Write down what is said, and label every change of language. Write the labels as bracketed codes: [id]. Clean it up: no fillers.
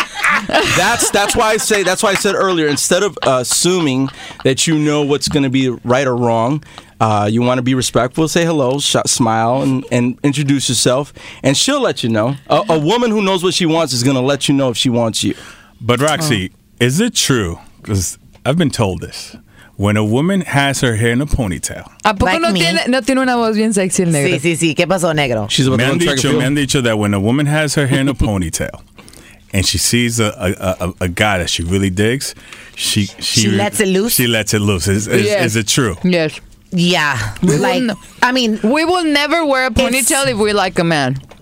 [en] That's why I said earlier, instead of assuming that you know what's going to be right or wrong, you want to be respectful, say hello, smile, and introduce yourself, and she'll let you know. A woman who knows what she wants is going to let you know if she wants you. But Roxy, is it true, because I've been told this, when a woman has her hair in a ponytail. [es] ¿A poco like no tiene una voz bien sexy el negro? Sí. ¿Qué pasó, negro? [en] She's about to go. [es] Me han dicho [en] that when a woman has her hair in a ponytail, and she sees a guy that she really digs, She lets it loose. She lets it loose. Is it true? Yes. Yeah. We will never wear a ponytail if we like a man.